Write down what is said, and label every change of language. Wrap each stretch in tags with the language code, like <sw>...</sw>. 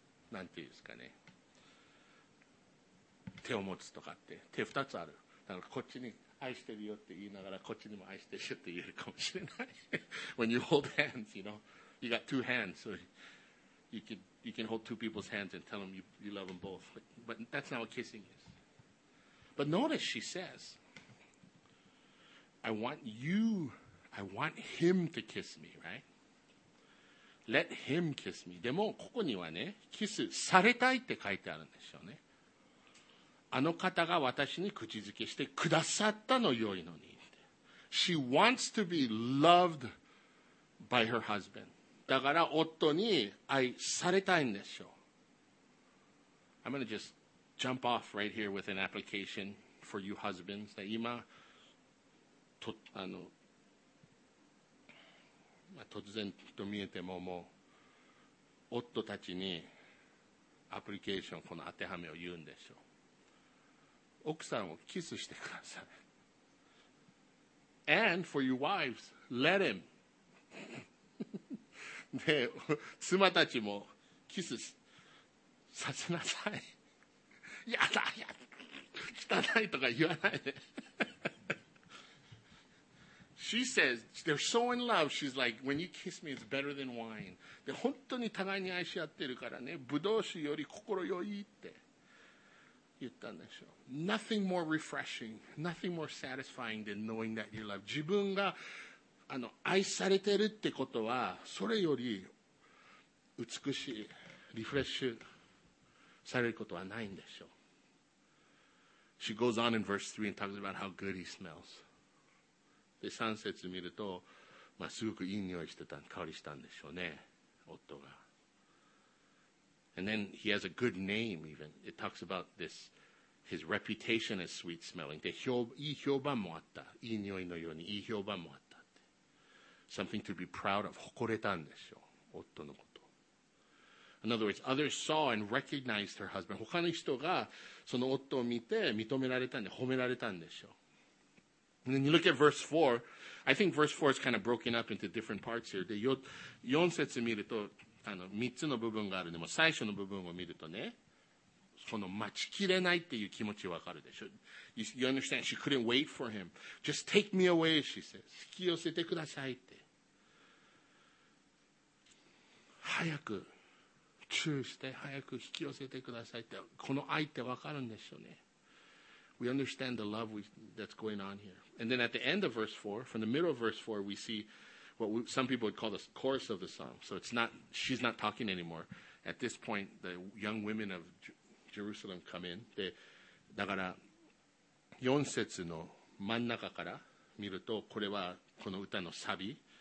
<ja>なんていうんですかね。手を持つとかって手二つある。だからこっちに愛してるよって言いながらこっちにも愛してるよって言えるかもしれない。</ja> <en>When you hold hands, you know, you got two hands, so you can hold two people's hands and tell them you love them both. But that's not what kissing is. But notice she says, I want him to kiss me, right? Let him kiss me.</en> <ja>でもここにはね、キスされたいって書いてあるんでしょうね。あの方が私に口づけしてくださったの良いのに。</ja> <en>She wants to be loved by her husband.</en> <ja>だから夫に愛されたいんでしょう。</ja> <en>I'm going to just jump off right here with an application for you husbands.</en> <ja>今、突然と見えてももう、夫たちにアプリケーション、この当てはめを言うんでしょう。奥さんをキスしてください。</ja> <en>And for your wives, let him.</en> <ja>で、妻たちもキスさせなさい。やだやだ。汚いとか言わないで。</ja> <en>She says, they're so in love. She's like, when you kiss me, it's better than wine.</en> <ja>で、本当に互いに愛し合ってるからね、葡萄酒より心よいって。言ったんでしょう。</ja> <en>Nothing more refreshing, nothing more satisfying than knowing that you're loved.</en> <ja>自分が愛されてるってことは、それより美しい、リフレッシュされることはないんでしょう。</ja> <en>She goes on in verse 3 and talks about how good he smells.</en> <ja>で、3節見ると、まあ、すごくいい匂いしてた、香りしたんでしょうね、夫が。</ja> <en>And then he has a good name even. It talks about this, his reputation is sweet smelling.</en> <ja>で、いい評判もあった。いい匂いのように、いい評判もあったって。</ja> <en>Something to be proud of.</en> <ja>誇れたんでしょう。夫のこと。</ja> <en>In other words, others saw and recognized her husband.</en> <ja>他の人がその夫を見て認められたんで、褒められたんでしょう。</ja> <en>And then you look at verse 4. I think verse 4 is kind of broken up into different parts here.</en> <ja>で、4節見ると、3つの部分があるので、最初の部分を見るとね、その待ちきれないっていう気持ちわかるでしょ。</ja> <en>You understand? She couldn't wait for him. Just take me away, she says.</en> <ja>引き寄せてくださいって。早くチューして、早く引き寄せてくださいって。この愛ってわかるんでしょうね。</ja> <en>We understand the love that's going on here. And then at the end of verse 4, from the middle of verse 4, we see what we, some people would call the chorus of the song. So it's not, she's not talking anymore. At this point, the young women of Jerusalem come in.</en> <ja>で、だから4節の真ん中から見ると、これはこの歌のサビ。</ja>